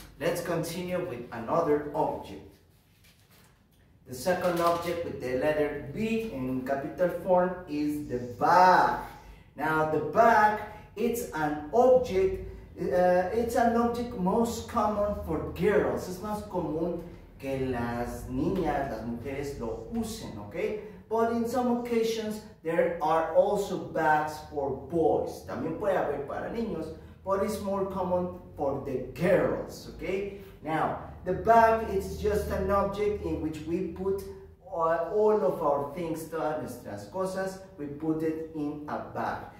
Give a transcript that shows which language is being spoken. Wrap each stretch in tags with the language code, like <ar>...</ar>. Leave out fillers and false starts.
<en>Let's continue with another object. The second object with the letter B in capital form is the bag. Now, the bag, it's an object most common for girls.</en> <es>Es más común que las niñas, las mujeres lo usen, okay?</es> <en>But in some occasions, there are also bags for boys.</en> <es>También puede haber para niños,</es> <en>but it's more common for the girls, okay? Now, the bag is just an object in which we put all of our things,</en> <es>todas nuestras cosas,</es> <en>we put it in a bag.</en>